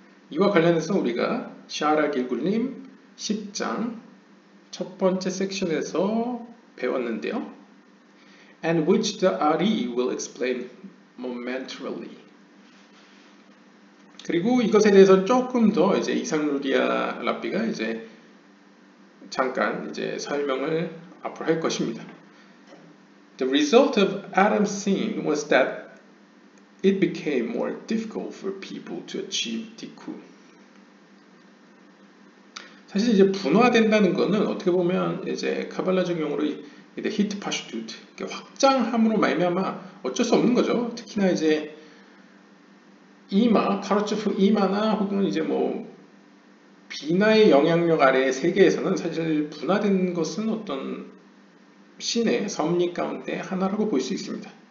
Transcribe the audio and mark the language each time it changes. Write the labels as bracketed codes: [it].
[ko] 이와 관련해서 우리가 샤라 길굴님 10장 첫 번째 섹션에서 배웠는데요. [en] And which the Ari will explain momentarily. [ko] 그리고 이것에 대해서 조금 더 이제 이상루리아 라비가 이제 잠깐 이제 설명을 앞으로 할 것입니다. [en] The result of Adam's sin was that it became more difficult for people to achieve tikkun. [ko] 사실 이제 분화된다는 것은 어떻게 보면 이제 카발라적 용어로 이제 히트 파슈트 확장함으로 말미암아 어쩔 수 없는 거죠. 특히나 이제 이마, 카르츠프 이마나 혹은 이제 뭐 비나의 영향력 아래의 세계에서는 사실 분화된 것은 어떤 신의 섭리 가운데 하나라고 볼 수 있습니다.